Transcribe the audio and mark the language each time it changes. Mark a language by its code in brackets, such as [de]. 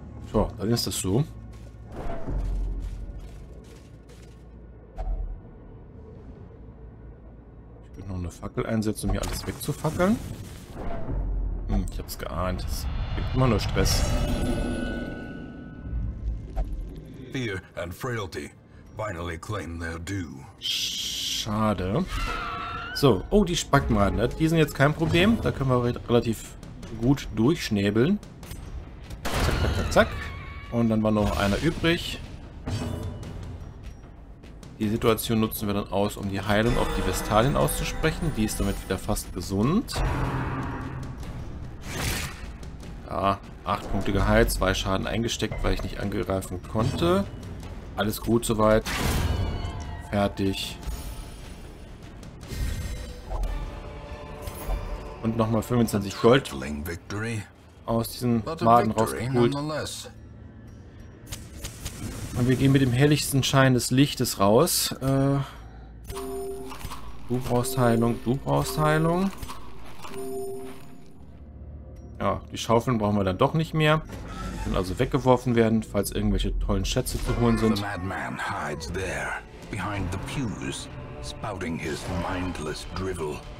[de] So, dann ist das so. Ich würde noch eine Fackel einsetzen, um hier alles wegzufackeln. Ich hab's geahnt. Es gibt immer nur Stress. [en] Fear and frailty finally claim their due. [de] Schade. So, oh, die Spackmaden. Die sind jetzt kein Problem. Da können wir relativ gut durchschnäbeln. Zack, zack, zack, zack. Und dann war noch einer übrig. Die Situation nutzen wir dann aus, um die Heilung auf die Vestalin auszusprechen. Die ist damit wieder fast gesund. Ja, 8 Punkte geheilt, 2 Schaden eingesteckt, weil ich nicht angreifen konnte. Alles gut soweit. Fertig. Und nochmal 25 Gold aus diesen Maden rausgeholt. Und wir gehen mit dem helllichsten Schein des Lichtes raus. Du brauchst Heilung, du brauchst Heilung. Ja, die Schaufeln brauchen wir dann doch nicht mehr. Die können also weggeworfen werden, falls irgendwelche tollen Schätze zu holen sind. [en] The madman hides there, behind the pews, spouting his mindless drivel.